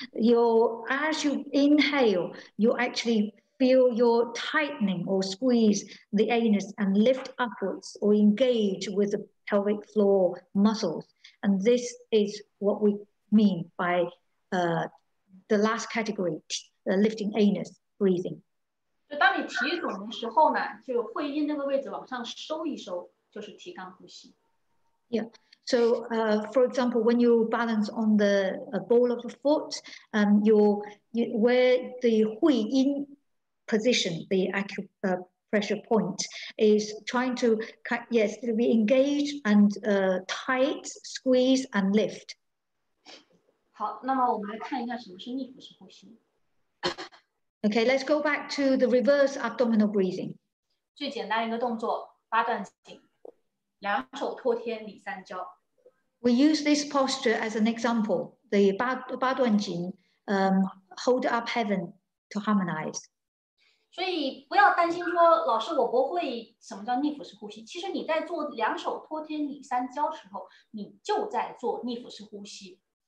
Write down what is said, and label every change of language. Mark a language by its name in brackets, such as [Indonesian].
[English] As you inhale, you actually feel your tightening or squeeze the anus and lift upwards or engage with the pelvic floor muscles. And this is what we mean by the last category, lifting anus, breathing. [Chinese] 就当你提肛的时候呢，就会阴那个位置往上收一收，就是提肛呼吸。 [English] Yeah. So, for example, when you balance on the ball of a foot, where the 会阴position, the acupressure point is trying to, yes, to be engaged and tight, squeeze and lift. [Chinese] 好，那么我们来看一下什么是逆腹式呼吸。 [English] Okay, let's go back to the reverse abdominal breathing. [Chinese] 最简单一个动作，八段锦，两手托天，理三焦。 [English] We use this posture as an example. The 八段锦hold up heaven to harmonize. [Chinese] 所以不要担心说老师我不会什么叫逆腹式呼吸，其实你在做两手托天理三焦时候，你就在做逆腹式呼吸。